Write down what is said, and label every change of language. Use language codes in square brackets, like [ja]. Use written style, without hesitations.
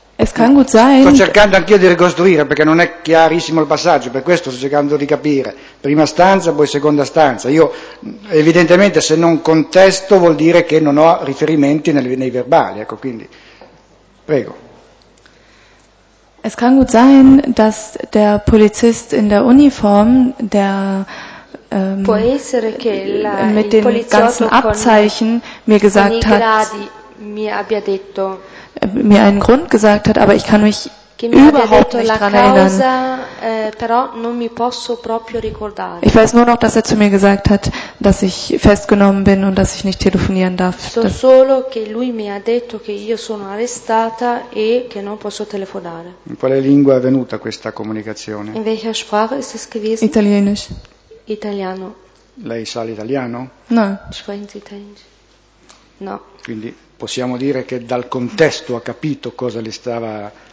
[it] Sto cercando anch'io di ricostruire perché non è chiarissimo il passaggio, per questo sto cercando di capire. Prima stanza, poi seconda stanza. Io evidentemente se non contesto vuol dire che non ho riferimenti nei verbali, ecco, quindi prego. [de] Es kann gut sein, dass der Polizist in der Uniform, der [it] può essere che [de] mit den ganzen Abzeichen mir gesagt hat, [it] mir abbia detto [de] mir einen Grund gesagt hat, aber ich kann mich überhaupt nicht dran erinnern. [it] Però non mi posso proprio ricordare. [de] Ich weiß nur noch, dass er zu mir gesagt hat, dass ich festgenommen bin und dass ich nicht telefonieren darf. [it] Solo che lui mi ha detto che io sono arrestata e che non posso telefonare. In quale lingua è venuta questa comunicazione? [de] In welcher Sprache ist es gewesen? Italienisch. [it] Italiano. Lei sa l'italiano? No. [de] Sprechen Sie Italienisch? [it] No. Quindi possiamo dire che dal contesto ha capito cosa le stava